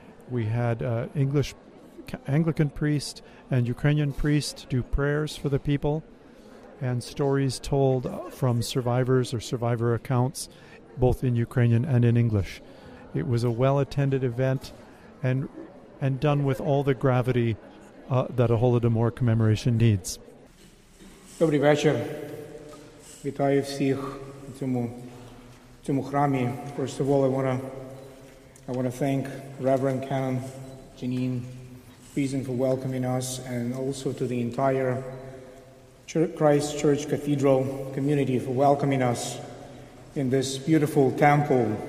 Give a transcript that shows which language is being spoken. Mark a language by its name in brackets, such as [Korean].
[English] We had an English Anglican priest and Ukrainian priest do prayers for the people, and stories told from survivors or survivor accounts, both in Ukrainian and in English. It was a well-attended event and done with all the gravity that a Holodomor commemoration needs. [Ukrainian] Добрий вечір. Вітаю всіх у цьому храмі. [English] First of all, I want to thank Reverend Canon Janine Friesen for welcoming us, and also to the entire Christ Church Cathedral community for welcoming us in this beautiful temple.